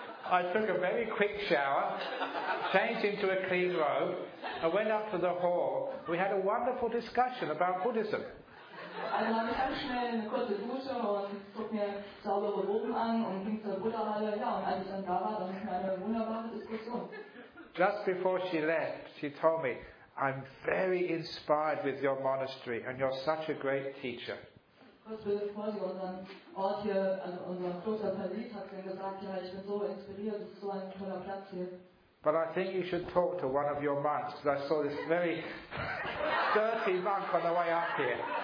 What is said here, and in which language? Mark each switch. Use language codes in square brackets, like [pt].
[en] I took a very quick shower, changed into a clean robe, and went up to the hall. We had a wonderful discussion about Buddhism. [de] Also habe ich ganz schnell eine kurze Dusche und zog mir saubere Roben an und ging zur Buddha-Halle. Ja, und als ich dann da war, dann hatten wir eine wunderbare Diskussion. [en] Just before she left, she told me, "I'm very inspired with your monastery and you're such a great teacher." [de] Kurz bevor sie unseren Ort hier, also unseren Kloster verließ, hat sie gesagt, ja, ich bin so inspiriert, es ist so ein toller Platz hier. [en] "But I think you should talk to one of your monks, because I saw this very dirty monk on the way up here."